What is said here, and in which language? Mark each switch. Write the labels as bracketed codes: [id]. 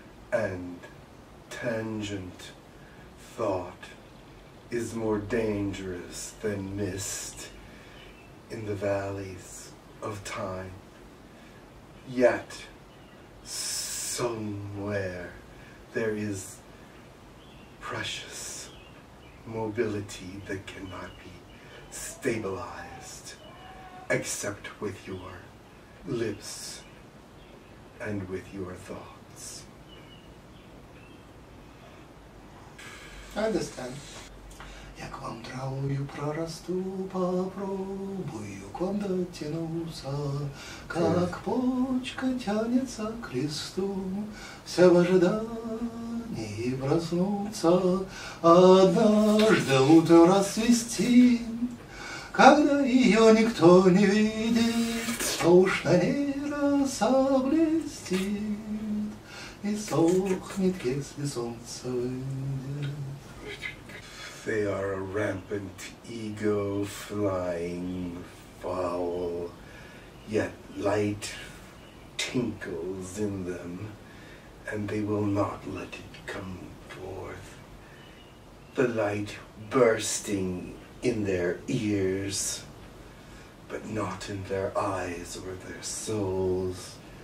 [en] and tangent thought is more dangerous than mist in the valleys of time, yet somewhere there is precious mobility that cannot be stabilized except with your lips and with your thoughts. I understand. [ru] Як вам травою прорасту, попробую вам дотянуться, как почка тянется к листу, все в ожидании проснуться, однажды утро расцвести, когда ее никто не видит, то уж на ней роса блестит, и сохнет, если солнце выйдет. [en] They are a rampant, ego-flying fowl, yet light tinkles in them, and they will not let it come forth. The light bursting in their ears, but not in their eyes or their souls.